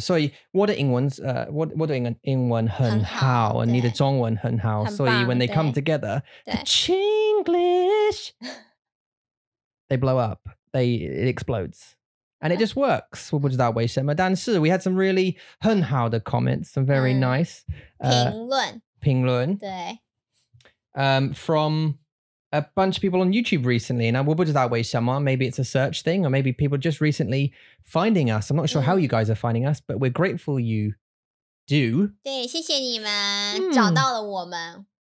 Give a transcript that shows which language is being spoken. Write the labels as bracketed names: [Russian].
[Chinese] 所以我的英文我的英文很好，你的中文很好，很所以 [English] when they come together, Chinglish, they blow up, it explodes. And it just works. [Chinese] 我不知道为什么，但是 [English] we had some really [Chinese] 很好的 [English] comments, some very nice [Chinese] 评论对 [English] from a bunch of people on YouTube recently. And [Chinese] 我不知道为什么， [English] maybe it's a search thing, or maybe people just recently finding us. I'm not sure how you guys are finding us, but we're grateful you do. [Chinese] 对，谢谢你们找到了我们。